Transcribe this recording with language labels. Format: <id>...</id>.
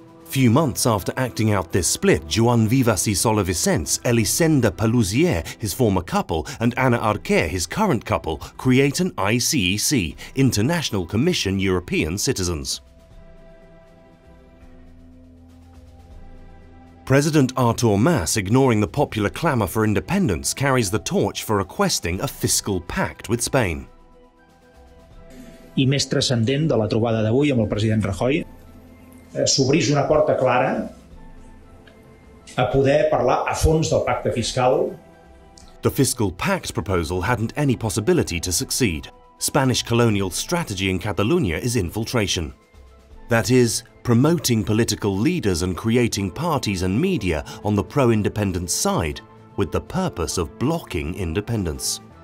<en>Few months after acting out this split, Joan Vives y Sola Vicens, Elisenda Paluzie, his former couple, and Anna Arquè, his current couple, create an ICEC, International Commission European Citizens. President Artur Mas, ignoring the popular clamour for independence, carries the torch for requesting a fiscal pact with Spain.</en> <ca>I més transcendent de la trobada d'avui amb el president Rajoy, s'obrís una porta clara a poder parlar a fons del pacte fiscal.</ca> <en>The fiscal pact proposal hadn't any possibility to succeed. Spanish colonial strategy in Catalonia is infiltration. That is, promoting political leaders and creating parties and media on the pro-independence side with the purpose of blocking independence.</en>